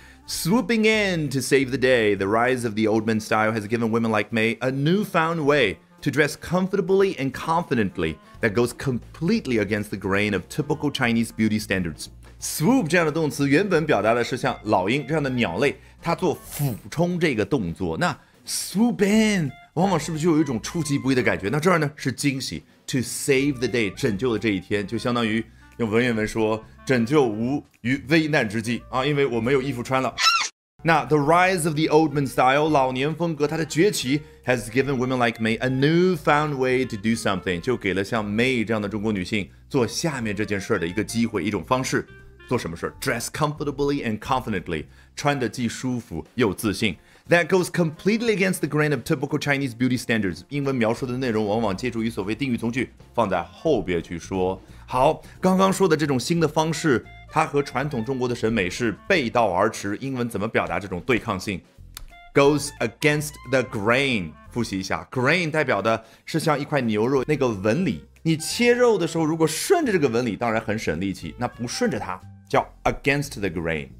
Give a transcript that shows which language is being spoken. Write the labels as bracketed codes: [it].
[en] Swooping in to save the day, the rise of the old man style has given women like May a newfound way to dress comfortably and confidently that goes completely against the grain of typical Chinese beauty standards. [zh] Swoop 这样的动词原本表达的是像老鹰这样的鸟类，它做俯冲这个动作。那 swoop in 往往是不是就有一种出其不意的感觉？那这儿呢是惊喜。 [en] To save the day， [zh] 拯救了这一天，就相当于用文言文说拯救无于危难之际啊，因为我没有衣服穿了。那 [en] the rise of the old man style， [zh] 老年风格它的崛起 [en] has given women like May a newfound way to do something， [zh] 就给了像 May 这样的中国女性做下面这件事的一个机会，一种方式。做什么事？ [en] Dress comfortably and confidently， [zh] 穿得既舒服又自信。 [en] That goes completely against the grain of typical Chinese beauty standards。 [zh] 英文描述的内容往往借助于所谓定语从句，放在后边去说。好，刚刚说的这种新的方式，它和传统中国的审美是背道而驰。英文怎么表达这种对抗性？ [en] Goes against the grain。 [zh] 复习一下， grain 代表的是像一块牛肉那个纹理，你切肉的时候如果顺着这个纹理当然很省力气，那不顺着它叫 [en] against the grain。